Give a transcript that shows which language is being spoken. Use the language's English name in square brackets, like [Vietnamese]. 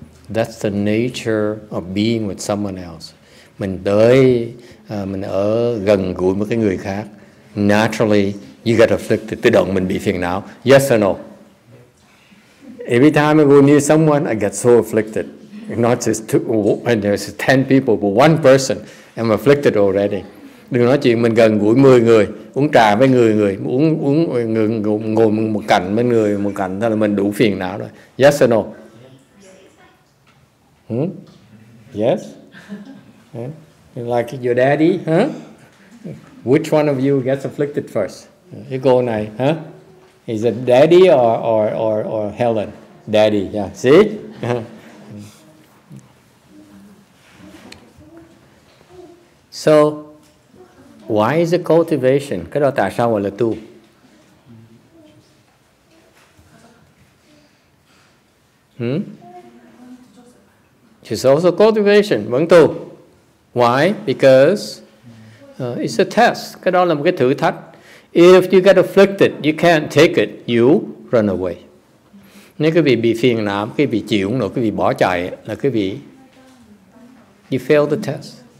[English] That's the nature of being with someone else. [Vietnamese] Mình tới, mình ở gần gũi một cái người khác. [English] Naturally, you get afflicted. [Vietnamese] Tự động mình bị phiền não. [English] Yes or no? Every time I go near someone, I get so afflicted. Not just two, and there's 10 people, but one person, I'm afflicted already. [Vietnamese] Đừng nói chuyện mình gần gũi 10 người, uống trà với người, uống người, ngồi một cạnh với người một cạnh, thôi là mình đủ phiền não rồi. [English] Yes or no? Yes? Yeah. Like your daddy, huh? Which one of you gets afflicted first? You go, huh? Is it daddy or Helen? Daddy, yeah. See? So, why is it cultivation? [Vietnamese] Cái đó tại sao gọi là tu? [English] It's also cultivation, [Vietnamese] vẫn tu. [English] Why? Because it's a test. [Vietnamese] Cái đó là một cái thử thách. [English] If you get afflicted, you can't take it, you run away. [Vietnamese] Nếu quý vị bị phiền não, quý vị chịu không nổi, quý vị bỏ chạy, là quý vị, [English] you fail the test.